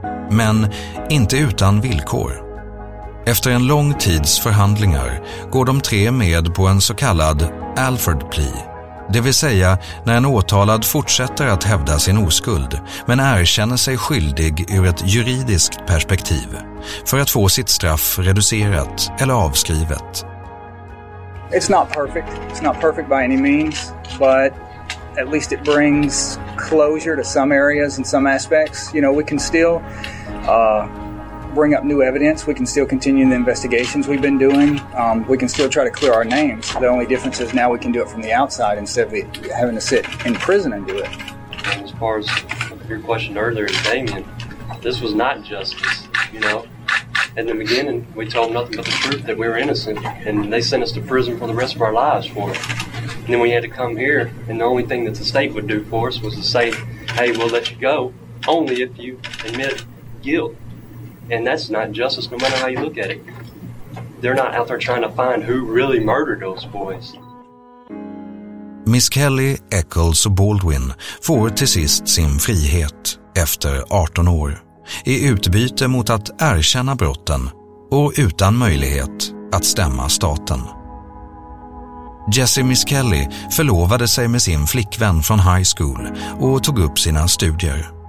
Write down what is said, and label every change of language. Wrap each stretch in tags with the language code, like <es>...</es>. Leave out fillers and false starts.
<sv>Men inte utan villkor. Efter en lång tids förhandlingar går de tre med på en så kallad Alford plea. Det vill säga när en åtalad fortsätter att hävda sin oskuld men erkänner sig skyldig ur ett juridiskt perspektiv för att få sitt straff reducerat eller avskrivet.</sv> <en>It's not perfect. It's not perfect by any means, but at least it brings closure to some areas and some aspects. You know, we can still bring up new evidence. We can still continue the investigations we've been doing. We can still try to clear our names. The only difference is now we can do it from the outside instead of having to sit in prison and do it. As far as your question earlier, Damien, this was not justice, you know. In the beginning, we told them nothing but the truth that we were innocent, and they sent us to prison for the rest of our lives for it. And then we had to come here, and the only thing that the state would do for us was to say, hey, we'll let you go, only if you admit guilt. And that's not justice, no matter how you look at it. They're not out there trying to find who really murdered those boys.</en> <sv>Miss Kelly, Eccles och Baldwin får till sist sin frihet efter 18 år i utbyte mot att erkänna brotten och utan möjlighet att stämma staten. Jesse Miss Kelly förlovade sig med sin flickvän från high school och tog upp sina studier.</sv>